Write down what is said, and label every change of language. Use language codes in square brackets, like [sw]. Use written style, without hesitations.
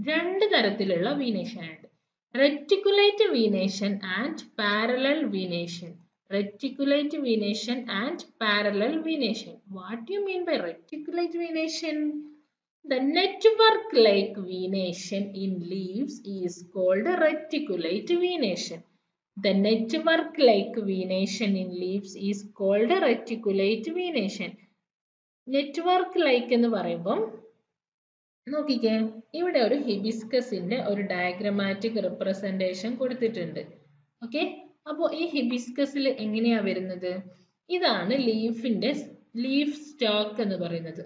[ml] രണ്ട് തരത്തിലുള്ള വീനേഷൻ ഉണ്ട്, [en] Reticulate venation and parallel venation. Reticulate venation and parallel venation. What do you mean by reticulate venation? The network like venation in leaves is called reticulate venation. The network like venation in leaves is called reticulate venation. Network like [ml] എന്ന് പറയുമ്പോൾ നോക്കിക്കേ, ഇവിടെ ഒരു ഹിബിസ്കസിന്റെ ഒരു diagrammatic representation കൊടുത്തിട്ടുണ്ട്. Okay, അപ്പോ ഈ ഹിബിസ്കസിൽ എങ്ങനെയാ വരുന്നത്? ഇതാണ് ലീഫിന്റെ ലീഫ് സ്റ്റോക്ക് എന്ന് പറയുന്നത്.